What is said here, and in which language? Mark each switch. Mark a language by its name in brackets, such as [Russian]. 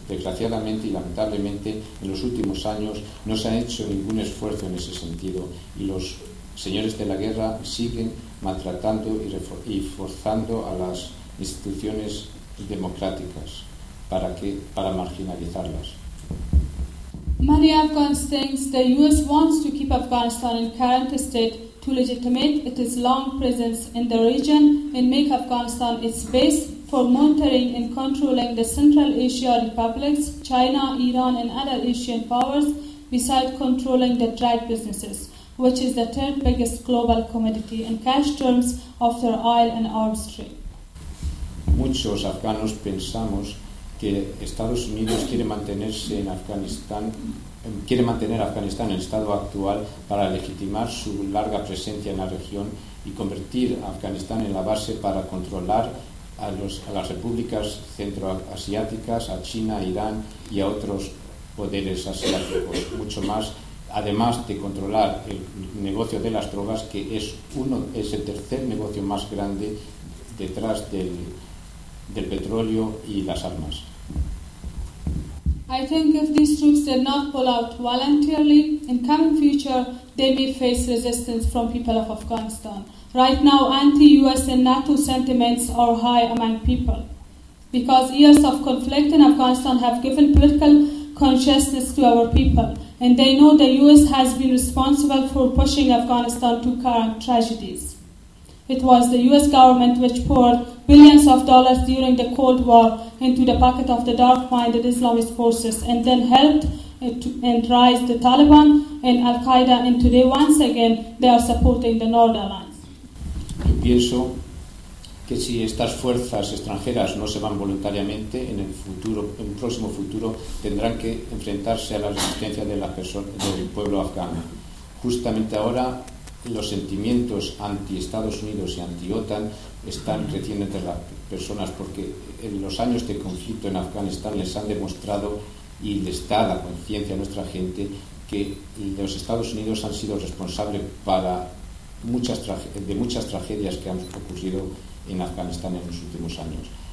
[Spanish] Desgraciadamente y lamentablemente, en los últimos años no se ha hecho ningún esfuerzo en ese sentido y los señores de la guerra siguen maltratando y forzando a las instituciones democráticas para marginalizarlas. [English] Many Afghans think the U.S. wants to keep Afghanistan in current state to legitimate its long presence in the region and make Afghanistan its base for monitoring and controlling the Central Asia republics, China, Iran, and other Asian powers, besides controlling the trade businesses, which is the third biggest global commodity in cash terms after oil and arms trade. [Spanish] Muchos afganos pensamos que Estados Unidos quiere mantener Afganistán en estado actual para legitimar su larga presencia en la región y convertir a Afganistán en la base para controlar a las repúblicas centroasiáticas, a China, a Irán y a otros poderes asiáticos, mucho más, además de controlar el negocio de las drogas, que es el tercer negocio más grande detrás del petróleo y las armas. [English] I think if these troops did not pull out voluntarily, in coming future they may face resistance from people of Afghanistan. Right now, anti-US and NATO sentiments are high among people, because years of conflict in Afghanistan have given political consciousness to our people, and they know the US has been responsible for pushing Afghanistan to current tragedies. It was the U.S. government which poured billions of dollars during the Cold War into the pocket of the dark-minded Islamist forces and then helped rise the Taliban and Al-Qaeda, and today, once again, they are supporting the Northern Alliance. [Spanish] Yo pienso que si estas fuerzas extranjeras no se van voluntariamente, en el futuro, en el próximo futuro, tendrán que enfrentarse a la resistencia de del pueblo afgano. Justamente ahora, los sentimientos anti-Estados Unidos y anti-OTAN están creciendo entre las personas porque en los años de conflicto en Afganistán les han demostrado y les da la conciencia a nuestra gente que los Estados Unidos han sido responsables de muchas tragedias que han ocurrido en Afganistán en los últimos años.